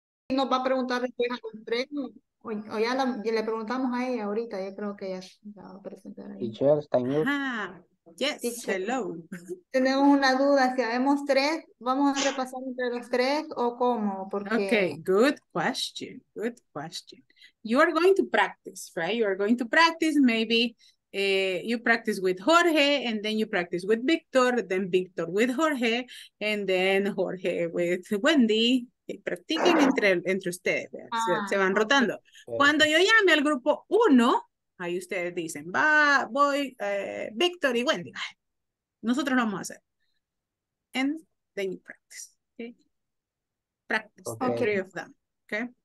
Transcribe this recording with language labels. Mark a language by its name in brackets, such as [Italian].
[Spanish] Nos va a preguntar después a los premios. O ya la, le preguntamos a ella ahorita, yo creo que ella la va a presentar ahí. Teacher, está en mute. [English] Yes, teacher. Hello. [Spanish] Tenemos una duda, si habemos tres, ¿vamos a repasar entre los tres o cómo? Porque... [English] Ok, good question, good question. You are going to practice, right? You are going to practice, maybe you practice with Jorge, and then you practice with Victor, then Victor with Jorge, and then Jorge with Wendy. [Spanish] Practiquen entre ustedes, se van rotando. Cuando yo llame al grupo uno, ahí ustedes dicen, Victor y Wendy. Nosotros lo vamos a hacer. [English] And then you practice. Okay? Practice, okay. The three of them. Okay?